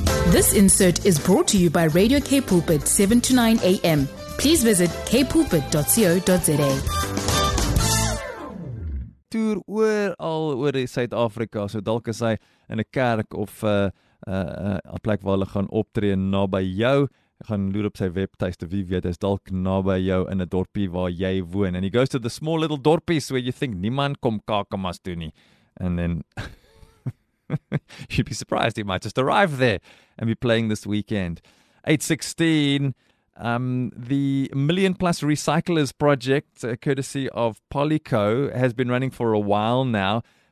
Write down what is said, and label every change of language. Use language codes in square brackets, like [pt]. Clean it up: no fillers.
[en] This insert is brought to you by Radio K Pulpit 7 to 9 a.m. Please visit kpulpit.co.za. [af] Toer oor al oor Suid-Afrika, so dalk is hy in 'n kerk of 'n plek waar hulle gaan optree naby jou. Gaan loer op sy webtuiste, wie weet, is dalk naby jou in 'n dorpie waar jy woon. [en] And he goes to the small little dorpies where you think [af] niemand kom kakamas toe nie. [en] And then you'd be surprised, he might just arrive there and be playing this weekend. 8:16, the Million Plus Recyclers Project, courtesy of Polyco, has been running for a while now.